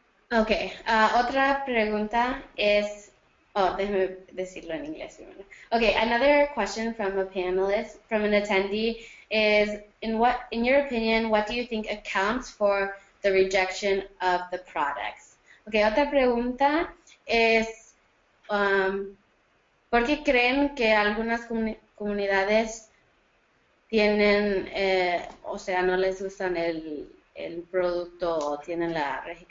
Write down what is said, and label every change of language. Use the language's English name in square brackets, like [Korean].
[Spanish] Otra pregunta es, déjame decirlo en inglés primero. [English] Okay, another question from an attendee is, in your opinion, what do you think accounts for the rejection of the products? [Spanish] Okay, otra pregunta es, ¿por qué creen que algunas comunidades tienen, no les gustan el producto, o tienen la